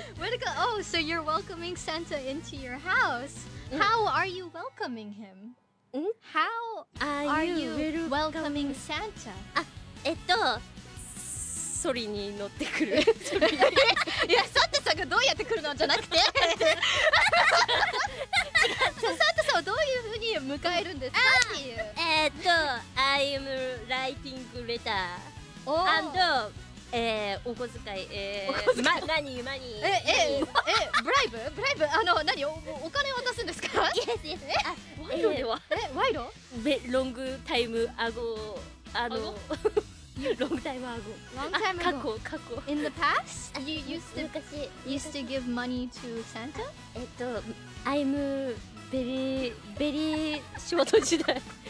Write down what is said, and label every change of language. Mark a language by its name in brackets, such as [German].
[English] Welcome, oh, so you're welcoming Santa into your house. How are you welcoming him? How are you welcoming Santa? [Japanese] ソリに乗ってくる。いや、サンタさんがどうやって来るのじゃなくて。サンタさんはどういう風に迎えるんですかっていう。 [English] I'm writing letter. Oh. [Japanese] And... お小遣い、お小遣い、ま、何、マニー、ブライブ、ブライブ、あの、何、お金渡すんですか。 [English] イエスイエス、 [Japanese] ワイロでは、ワイロ、 [English] ロングタイムアゴ、あの、ロングタイムアゴ、ロングタイムアゴ、 [Japanese] 過去、過去、 [English] in the past? You used to, [Japanese] 昔、 [English] you used to give money to Santa? I'm very, very [Japanese] 仕事時代。